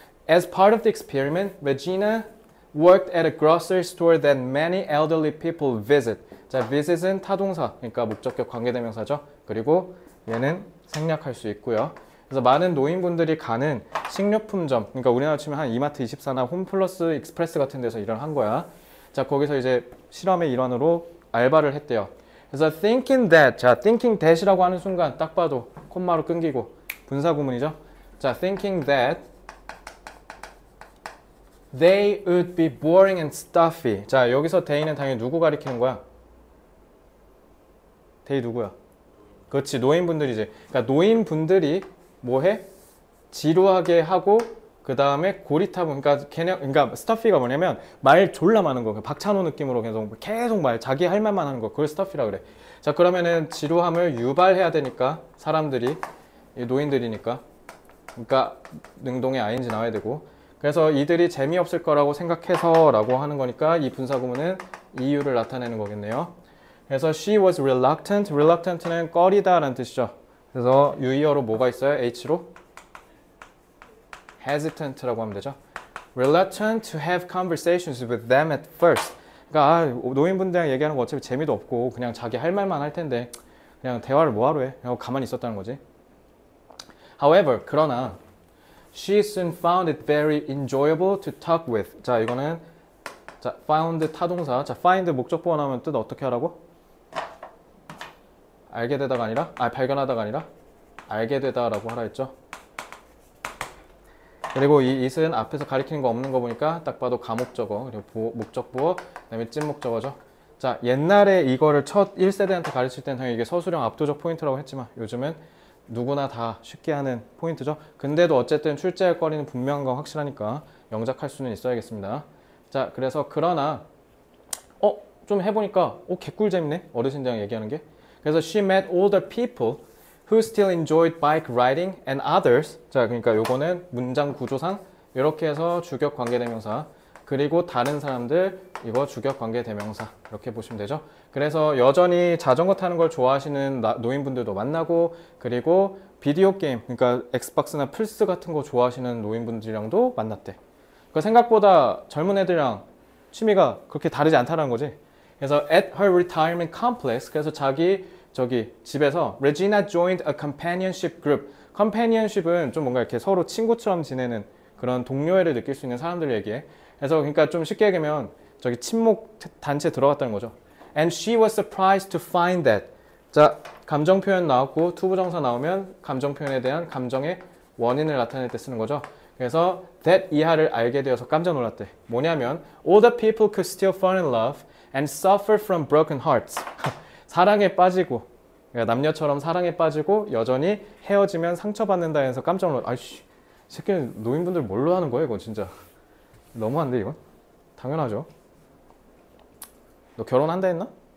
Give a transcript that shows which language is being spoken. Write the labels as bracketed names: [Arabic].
[English] As part of the experiment, Regina worked at a grocery store that many elderly people visit. [Korean] 자, visit은 타동사, 그러니까 목적격 관계대명사죠. 그리고 얘는 생략할 수 있고요. 그래서 많은 노인분들이 가는 식료품점, 그러니까 우리나라 치면 한 이마트 24나 홈플러스 익스프레스 같은 데서 일을 한 거야. 자, 거기서 이제 실험의 일환으로 알바를 했대요. 그래서 [English] thinking that, [Korean] 자, thinking that이라고 하는 순간 딱 봐도 콤마로 끊기고 분사 구문이죠. 자, [English] thinking that they would be boring and stuffy. [Korean] 자, 여기서 they는 당연히 누구 가리키는 거야? they 누구야? 그렇지, 노인분들이지. 그러니까 노인분들이 뭐 해? 지루하게 하고 그 다음에 고리타분. 그러니까 스터피가 뭐냐면 말 졸라 많은 거. 박찬호 느낌으로 계속 말 자기 할 말만 하는 거. 그걸 스터피라 그래. 자, 그러면은 지루함을 유발해야 되니까 사람들이 노인들이니까. 그러니까 능동에 ing 나와야 되고. 그래서 이들이 재미없을 거라고 생각해서라고 하는 거니까 이 분사구문은 이유를 나타내는 거겠네요. 그래서 [English] she was reluctant. reluctant는 [Korean] 꺼리다라는 뜻이죠. 그래서 유의어로 뭐가 있어요? H로? hesitant라고 하면 되죠. [English] Reluctant to have conversations with them at first. [Korean] 그러니까 아, 노인분들이랑 얘기하는 거 어차피 재미도 없고 그냥 자기 할 말만 할 텐데 그냥 대화를 뭐 하러 해? 하고 가만히 있었다는 거지. [English] However, [Korean] 그러나 [English] she soon found it very enjoyable to talk with. [Korean] 자, 이거는 자, found 타동사. 자, find 목적 보완하면 뜻 어떻게 하라고? 알게 되다가 아니라, 아, 발견하다가 아니라, 알게 되다라고 하라 했죠. 그리고 이 it은 앞에서 가리키는 거 없는 거 보니까 딱 봐도 감옥적어, 그리고 목적부어, 그다음에 찐목적어죠. 자, 옛날에 이거를 첫 1세대한테 가르칠 때는 이게 서술형 압도적 포인트라고 했지만 요즘은 누구나 다 쉽게 하는 포인트죠. 근데도 어쨌든 출제할 거리는 분명한 건 확실하니까 영작할 수는 있어야겠습니다. 자, 그래서 그러나, 좀 해보니까, 개꿀 재밌네. 어르신들이랑 얘기하는 게. 그래서 [English] she met older people who still enjoyed bike riding and others. [Korean] 자, 그러니까 요거는 문장 구조상 이렇게 해서 주격 관계대명사 그리고 다른 사람들 이거 주격 관계대명사 이렇게 보시면 되죠. 그래서 여전히 자전거 타는 걸 좋아하시는 노인분들도 만나고 그리고 비디오 게임 그러니까 엑스박스나 플스 같은 거 좋아하시는 노인분들이랑도 만났대. 그 그러니까 생각보다 젊은 애들이랑 취미가 그렇게 다르지 않다는 거지. [English] 그래서 at her retirement complex, [Korean] 그래서 자기 저기 집에서 [English] Regina joined a companionship group. [Korean] companionship은 좀 뭔가 이렇게 서로 친구처럼 지내는 그런 동료애를 느낄 수 있는 사람들 얘기해. 그래서 그러니까 좀 쉽게 얘기하면 저기 친목 단체 들어갔다는 거죠. [English] And she was surprised to find that. [Korean] 자, 감정 표현 나왔고 투부정사 나오면 감정 표현에 대한 감정의 원인을 나타낼 때 쓰는 거죠. 그래서 that 이하를 알게 되어서 깜짝 놀랐대. [English] 뭐냐면 all the people could still fall in love and suffer from broken hearts. [Korean] 사랑에 빠지고 그러니까 남녀처럼 사랑에 빠지고 여전히 헤어지면 상처받는다 해서 깜짝 놀랐대. 아이씨, 새끼 노인분들 뭘로 하는 거야 이거 진짜. 너무한데 이건? 당연하죠. 너 결혼한다 했나?